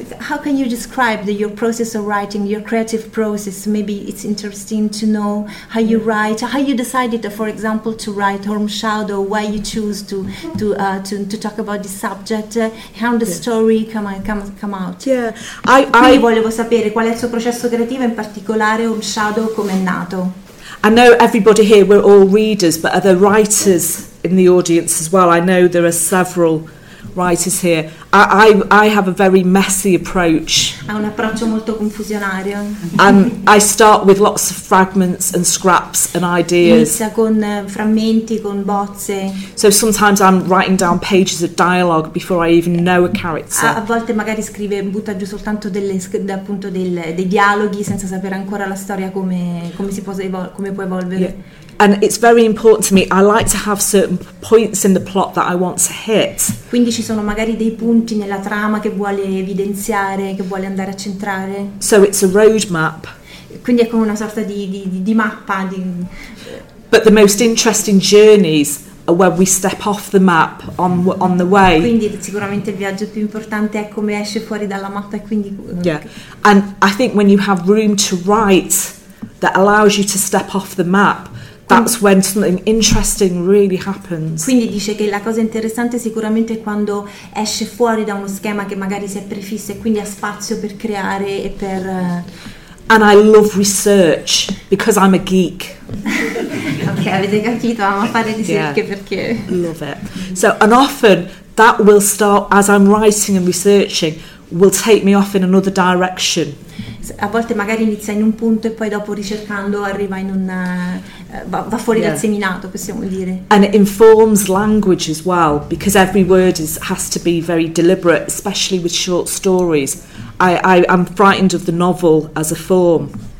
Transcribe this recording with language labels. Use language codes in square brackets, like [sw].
[en] How can you describe your process of writing, your creative process? Maybe it's interesting to know how you write, how you decided, for example, to write Horm Shadow, why you choose to talk about this subject, how the story come out. Yeah, [it] I volevo sapere qual è il suo processo creativo, in particolare Horm Shadow, come è nato. [en] I know everybody here, we're all readers, but are there writers in the audience as well? I know there are several writers here. I have a very messy approach. [it] Ha un approccio molto confusionario. [en] And I start with lots of fragments and scraps and ideas. [it] Inizia con frammenti, con bozze. [en] So sometimes I'm writing down pages of dialogue before I even know a character. [it] A volte magari scrive, butta giù soltanto dei dialoghi senza sapere ancora la storia come può evolvere. [en] Yeah. And it's very important to me. I like to have certain points in the plot that I want to hit. [it] Quindi ci sono magari dei punti nella trama che vuole evidenziare, che vuole andare a centrare. [en] So it's a road map. [it] Quindi è come una sorta di mappa. Di... [en] But the most interesting journeys are where we step off the map on the way. [it] Quindi sicuramente il viaggio più importante è come esce fuori dalla mappa e quindi. [en] Yeah, and I think when you have room to write that allows you to step off the map. That's when something interesting really happens. [it] Quindi dice che la cosa interessante sicuramente è quando esce fuori da uno schema che magari si è prefisso e quindi ha spazio per creare e per... [en] And I love research because I'm a geek. [it] Ok, avete capito, amo fare ricerche perché... [en] Love it. So, and often that will start, as I'm writing and researching, will take me off in another direction. [it] A volte magari inizia in un punto e poi dopo ricercando arriva in un va fuori dal seminato, possiamo dire. [en] And it informs language as well, because every word has to be very deliberate, especially with short stories. I'm frightened of the novel as a form.